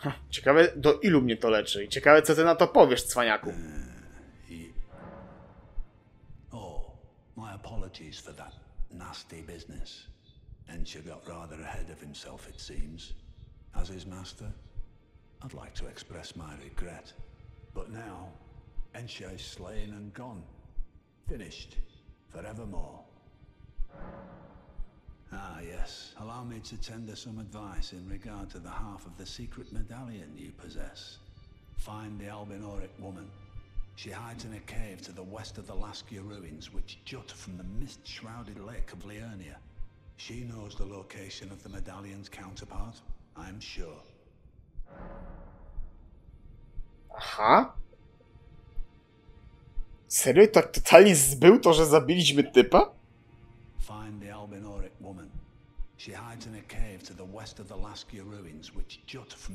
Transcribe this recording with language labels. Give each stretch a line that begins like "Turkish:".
Polish: Ciekawe, do ilu mnie to leczy. I ciekawe, co ty na to powiesz, cwaniaku.
English: Oh, my apologies for that nasty business. Ensha got rather ahead of himself, it seems. As his master, I'd like to express my regret. But now, Ensha is slain and gone. Finished. Forevermore. Ah, yes. Allow me to tender some advice in regard to the half of the secret medallion you possess. Find the Albinoric woman. She hides in a cave to the west of the Laskia ruins, which jut from the mist-shrouded lake of Liurnia. She knows the location of the medallion's counterpart, I'm sure. Aha.
Polish: Serio, tak totalnie zbył to, że zabiliśmy typa?
English: Find the Albinoric woman. She hides in a cave to the west of the Laskia ruins, which jut from